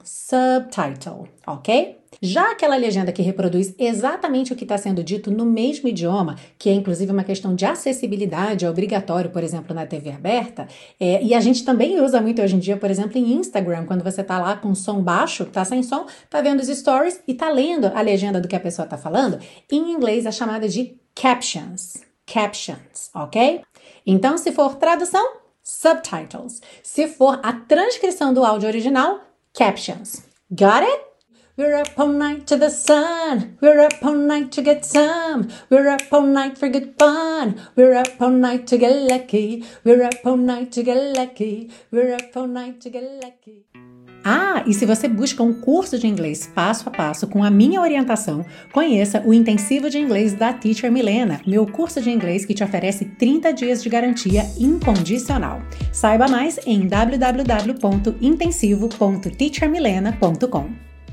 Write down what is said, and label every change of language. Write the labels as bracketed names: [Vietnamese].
[Portuguese] Subtitle, ok? Já aquela legenda que reproduz exatamente o que está sendo dito no mesmo idioma, que é inclusive uma questão de acessibilidade, é obrigatório, por exemplo, na TV aberta, e a gente também usa muito hoje em dia, por exemplo, em Instagram, quando você está lá com som baixo, está sem som, está vendo os stories e está lendo a legenda do que a pessoa está falando, em inglês é chamada de captions. Captions, ok? Então, se for tradução, subtitles. Se for a transcrição do áudio original, captions. [English] Got it? We're up all night to the sun, we're up all night to get some, we're up all night for good fun, we're up all night to get lucky, we're up all night to get lucky, we're up all night to get lucky. [Portuguese] Ah, e se você busca um curso de inglês passo a passo com a minha orientação, conheça o Intensivo de Inglês da Teacher Milena, meu curso de inglês que te oferece 30 dias de garantia incondicional. Saiba mais em www.intensivo.teachermilena.com.